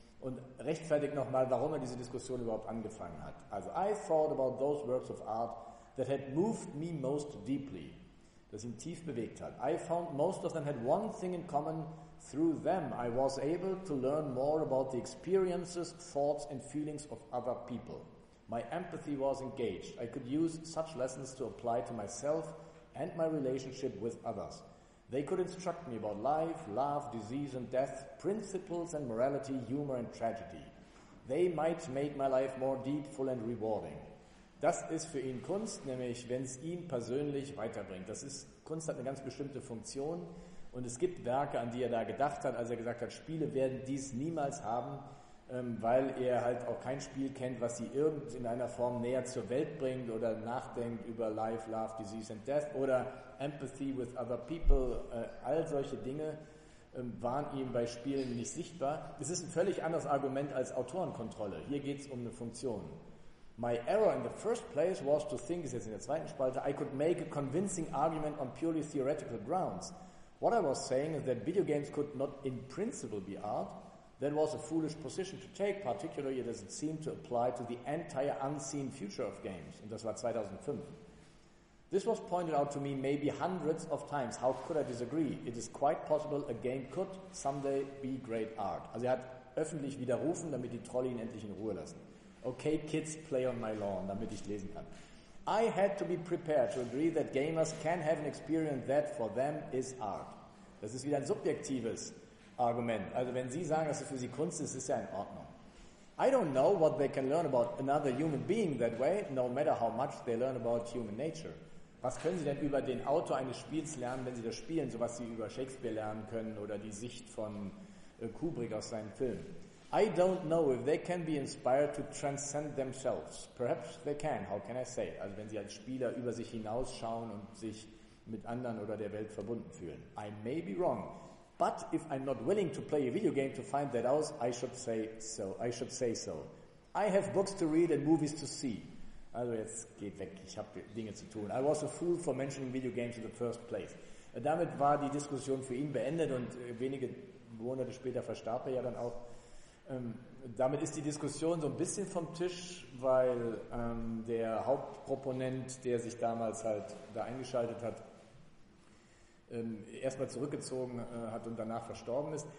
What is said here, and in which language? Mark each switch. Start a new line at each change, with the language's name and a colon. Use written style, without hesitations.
German: Und rechtfertigt nochmal, warum er diese Diskussion überhaupt angefangen hat.
English: Also, I thought about those works of art that had moved me most deeply,
German: das ihn tief bewegt hat.
English: I found most of them had one thing in common. Through them I was able to learn more about the experiences, thoughts and feelings of other people. My empathy was engaged. I could use such lessons to apply to myself and my relationship with others. They could instruct me about life, love, disease and death, principles and morality, humor and tragedy. They might make my life more deep, full and rewarding.
German: Das ist für ihn Kunst, nämlich wenn es ihn persönlich weiterbringt. Das ist, Kunst hat eine ganz bestimmte Funktion, und es gibt Werke, an die er da gedacht hat, als er gesagt hat, Spiele werden dies niemals haben, weil er halt auch kein Spiel kennt, was sie irgend in einer Form näher zur Welt bringt oder nachdenkt über
English: life, love, disease and death
German: oder
English: empathy with other people.
German: All solche Dinge waren ihm bei Spielen nicht sichtbar. Es ist ein völlig anderes Argument als Autorenkontrolle. Hier geht es um eine Funktion.
English: My error in the first place was to think,
German: ist jetzt in der zweiten Spalte,
English: I could make a convincing argument on purely theoretical grounds. What I was saying is that video games could not in principle be art. That was a foolish position to take, particularly it doesn't seem to apply to the entire unseen future of games.
German: Und das war 2005.
English: This was pointed out to me maybe hundreds of times. How could I disagree? It is quite possible a game could someday be great art.
German: Also er hat öffentlich widerrufen, damit die Trolle ihn endlich in Ruhe lassen.
English: Okay, kids, play on my lawn,
German: damit ich lesen kann.
English: I had to be prepared to agree that gamers can have an experience that for them is art.
German: Das ist wieder ein subjektives Argument. Also wenn Sie sagen, dass es für Sie Kunst ist, ist ja in Ordnung.
English: I don't know what they can learn about another human being that way, no matter how much they learn about human nature.
German: Was können Sie denn über den Autor eines Spiels lernen, wenn Sie das spielen, so was Sie über Shakespeare lernen können oder die Sicht von Kubrick aus seinem Film?
English: I don't know if they can be inspired to transcend themselves. Perhaps they can, how can I say?
German: Also wenn Sie als Spieler über sich hinausschauen und sich mit anderen oder der Welt verbunden fühlen.
English: I may be wrong. But if I'm not willing to play a video game to find that out, I should say so. I have books to read and movies to see.
German: Also jetzt geht weg, ich habe Dinge zu tun.
English: I was a fool for mentioning video games in the first place.
German: Damit war die Diskussion für ihn beendet, und wenige Monate später verstarb er ja dann auch. Damit ist die Diskussion so ein bisschen vom Tisch, weil der Hauptproponent, der sich damals halt da eingeschaltet hat, erstmal zurückgezogen hat und danach verstorben ist.